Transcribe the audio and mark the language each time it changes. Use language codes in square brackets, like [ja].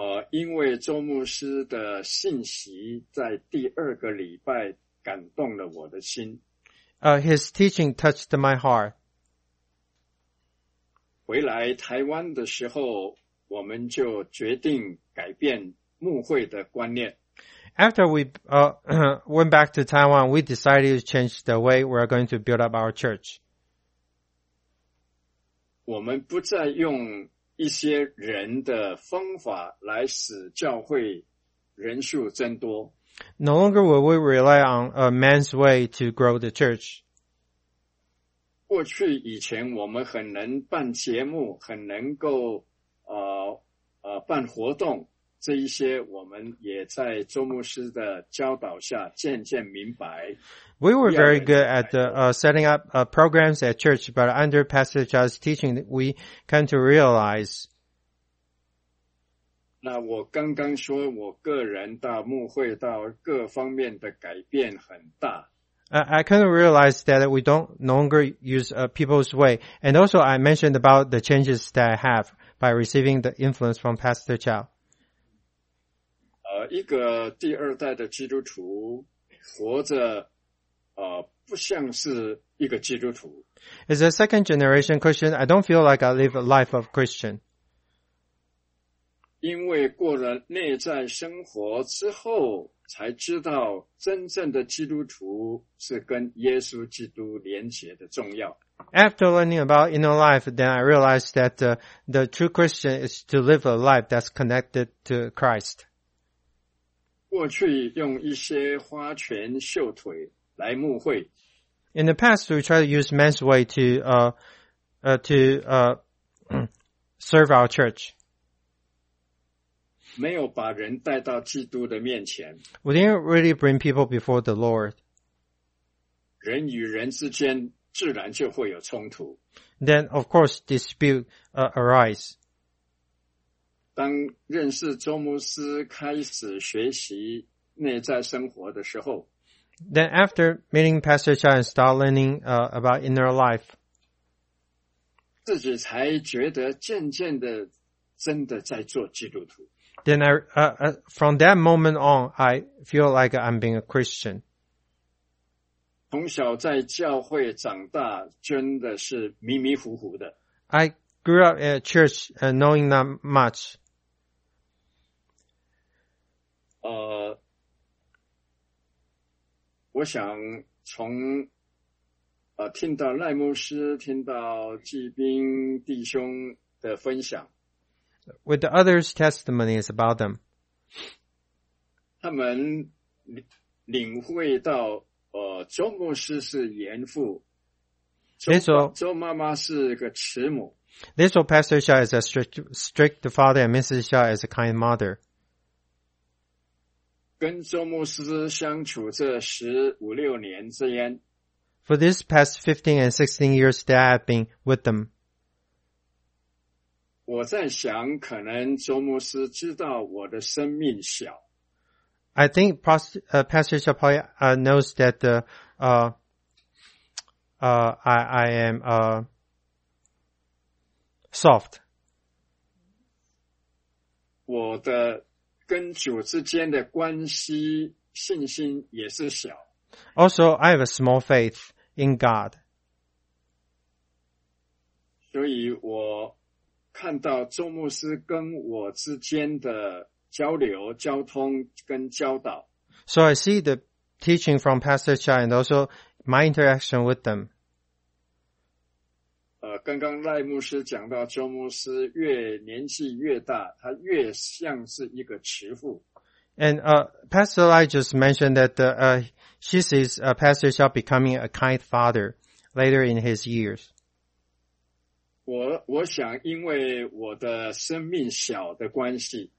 [zh] 因为周牧师的信息在第二个礼拜感动了我的心。 [en] His teaching touched my heart. [zh] 回来台湾的时候，我们就决定改变牧会的观念。 [en] After we went back to Taiwan, we decided to change the way we're going to build up our church. [zh] 我们不再用一些人的方法来使教会人数增多。 [en] No longer will we rely on a man's way to grow the church. [zh] 过去以前我们很能办节目，很能够办活动，这一些我们也在周牧师的教导下渐渐明白。 [en] We were very good at setting up programs at church, but under Pastor Charles' teaching, we came to realize. [zh] 那我刚刚说我个人到牧会到各方面的改变很大。 [en] I kind of realized that we don't no longer use people's way. And also I mentioned about the changes that I have by receiving the influence from Pastor Chow. [zh] 一个第二代的基督徒活着不像是一个基督徒。 [en] As a second generation Christian, I don't feel like I live a life of Christian. [zh] 因为过了内在生活之后才知道真正的基督徒是跟耶稣基督连结的重要。 [en] After learning about inner life, then I realized that the true Christian is to live a life that's connected to Christ. [zh] 过去用一些花拳绣腿来牧会。 [en] In the past, we tried to use man's way to serve our church. [zh] 没有把人带到基督的面前。 [en] We didn't really bring people before the Lord. [zh] 人与人之间自然就会有冲突。 [en] Then, of course, dispute arise. [zh] 当认识周牧师开始学习内在生活的时候。 [en] Then after meeting Pastor Chia and start learning about inner life. [zh] 自己才觉得渐渐的真的在做基督徒。 [en] Then from that moment on, I feel like I'm being a Christian. [zh] 从小在教会长大，真的是迷迷糊糊的。 [en] I grew up at church, knowing not much. [zh] 我想从听到赖牧师、听到季斌弟兄的分享 [en] ，with the others' testimonies about them， [zh] 他们领会到。周牧师是严父，周妈妈是个慈母。 [en] They saw Pastor Xiao as a strict father and Mrs. Xiao as a kind mother. [zh] 跟周牧师相处这十五六年之间 [en] ，For this past 15 and 16 years that I've been with them， [zh] 我在想，可能周牧师知道我的生命小。 [en] I think Pastor Xiao probably knows that I am soft. [zh] 我的跟主之间的关系信心也是小。 [en] Also, I have a small faith in God. [zh] 所以我看到周牧师跟我之间的交流、交通跟教导。 [en] So I see the teaching from Pastor Chai and also my interaction with them. [zh] 刚刚赖牧师讲到周牧师越年纪越大，他越像是一个慈父。 [en] And Pastor Lai just mentioned that she sees Pastor Chai becoming a kind father later in his years. [zh] 我想因为我的生命小的关系。